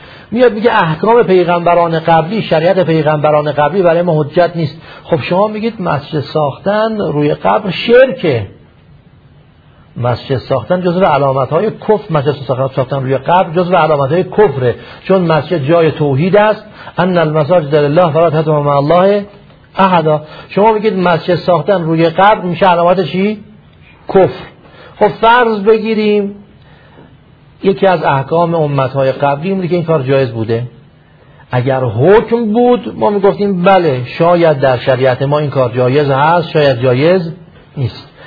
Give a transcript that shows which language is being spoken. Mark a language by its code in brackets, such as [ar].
[fa] میاد میگه احکام پیغمبران قبلی، شریعت پیغمبران قبلی برای ما حجت نیست. خب شما میگید مسجد ساختن روی قبر شرکه، مسجد ساختن جزء علامت های کفر، مسجد ساختن روی قبر جزء علامت های کفره، چون مسجد جای توحید است. [ar] ان المساجد لله فلا تدعوا مع الله احدا. [fa] شما میگید مسجد ساختن روی قبر میشه علامت چی؟ کفر. خب فرض بگیریم یکی از احکام امت های قبلی میگه که این کار جایز بوده، اگر حکم بود ما میگفتیم بله شاید در شریعت ما این کار جایز هست، شاید جایز نیست.